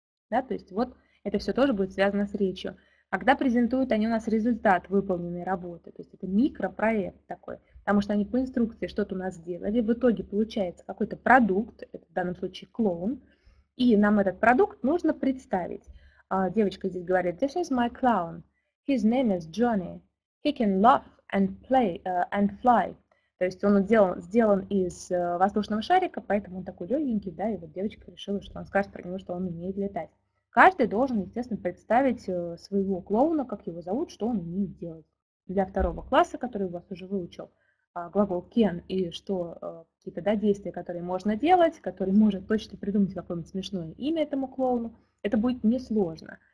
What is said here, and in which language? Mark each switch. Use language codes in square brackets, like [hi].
[ru] Да, то есть вот это все тоже будет связано с речью. Когда презентуют они у нас результат выполненной работы, то есть это микропроект такой, потому что они по инструкции что-то у нас сделали, в итоге получается какой-то продукт, это в данном случае клоун, и нам этот продукт нужно представить. Девочка здесь говорит, [en] this is my clown, his name is Johnny, he can laugh and play and fly. [ru] То есть он сделан из воздушного шарика, поэтому он такой легенький, да, и вот девочка решила, что он скажет про него, что он умеет летать. Каждый должен, естественно, представить своего клоуна, как его зовут, что он умеет делать. Для второго класса, который у вас уже выучил глагол can и что какие-то, да, действия, которые можно делать, который может точно придумать какое-нибудь смешное имя этому клоуну, это будет несложно.